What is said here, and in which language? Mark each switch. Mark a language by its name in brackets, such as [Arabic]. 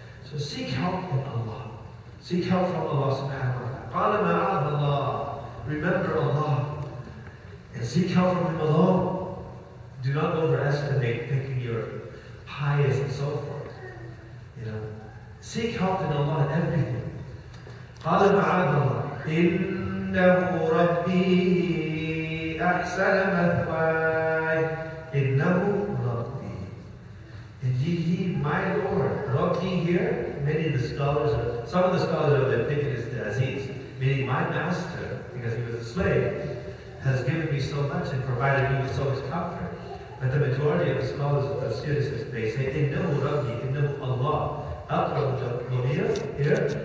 [English] So seek help in Allah. Seek help from Allah subhanahu wa ta'ala. [Arabic] قَالَ مَعَاذَ اللَّهِ. [English] Remember Allah. seek help from him alone. Do not overestimate thinking you're pious and so forth. You know, seek help in Allah in everything. [Arabic] قال معاذ الله إنه ربي أحسن مثواي إنه ربي. [English] Indeed, he, my Lord, ربي here. Many of the scholars, some of the scholars are thinking it's the Aziz, meaning my master, because he was a slave, has given me so much and provided me with so much comfort. But the majority of the scholars of Tafsir, they say, [Arabic] إِنَّهُ رَبِّي إِنَّهُ اللَّهُ أَقْرَبُ الْمُنِيرُ [English] here.